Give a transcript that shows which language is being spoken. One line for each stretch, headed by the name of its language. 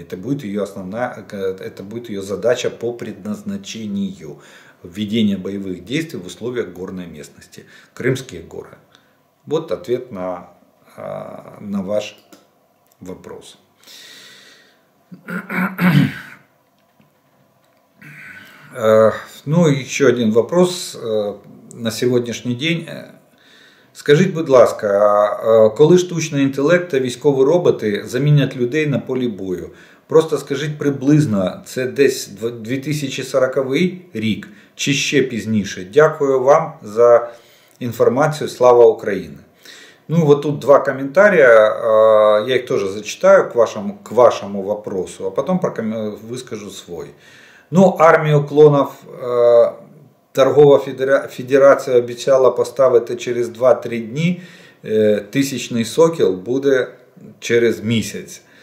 Russian: Это будет ее основная, это будет ее задача по предназначению введения боевых действий в условиях горной местности. Крымские горы. Вот ответ на ваш вопрос. Ну, еще один вопрос на сегодняшний день.
Ukrainian: Скажите, будь ласка, коли штучний інтелект та військові роботи замінять людей на полі бою? Просто скажіть приблизно, це десь 2040 рік чи ще пізніше? Дякую вам за інформацію. Слава Україні!
Russian: Ну, вот тут два комментария, я их тоже зачитаю к вашему вопросу, а потом выскажу свой. Ну, армию клонов Торговая Федерация обещала поставить через 2-3 дни, тысячный сокел будет через месяц.